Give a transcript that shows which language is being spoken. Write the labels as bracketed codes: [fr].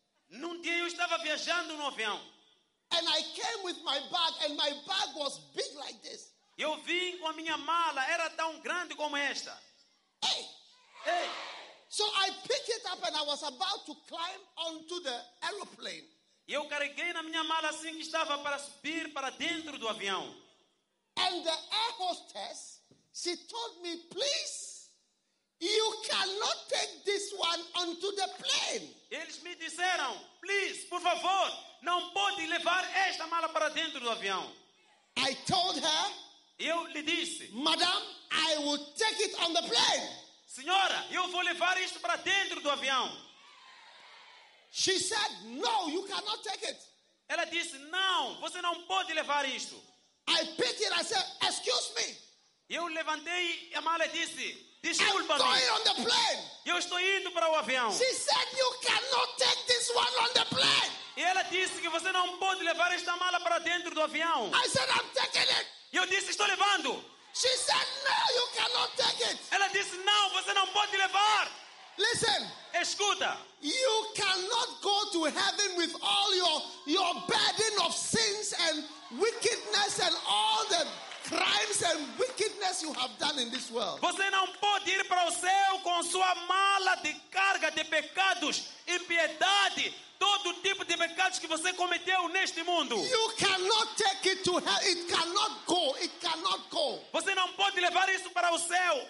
[pt] Num dia eu estava viajando no avião. [en] And I came with my bag, and my bag was big like this. [pt] Eu vim com a minha mala. Era tão grande como esta. Hey. Hey. [en] So I picked it up, and I was about to climb onto the aeroplane. [pt] Eu carreguei na minha mala assim que estava para subir para dentro do avião. [en] And the air hostess, she told me, please, you cannot take this one onto the plane. [pt] Eles me disseram, [en] please, [pt] por favor, não pode levar esta mala para dentro do avião. [en] I told her, [pt] eu lhe disse, [en] madam, I will take it on the plane. [pt] Senhora, eu vou levar isto para dentro do avião. [en] She said, no, you cannot take it. [pt] Ela disse, não, você não pode levar isto. [en] I picked it, I said, excuse me. [pt] Eu levantei a mala e disse, desculpa-me. [en] I'm going on the plane. [pt] Eu estou indo para o avião. [en] She said, you cannot take this one on the plane. [pt] E ela disse que você não pode levar esta mala para dentro do avião. [en] I said, I'm taking it. [pt] Eu disse, estou levando. [en] She said, no, you cannot take it. [pt] Ela disse, não, você não pode levar. [en] Listen. [pt] Escuta. [en] You cannot go to heaven with all your burden of sins and wickedness and all the crimes and wickedness you have done in this world. [pt] Você não pode ir para o céu com sua mala de carga de pecados, impiedade, todo tipo de pecados que você cometeu neste mundo. [en] You cannot take it to hell. It cannot go. It cannot go. [pt] Você não pode levar isso para o céu.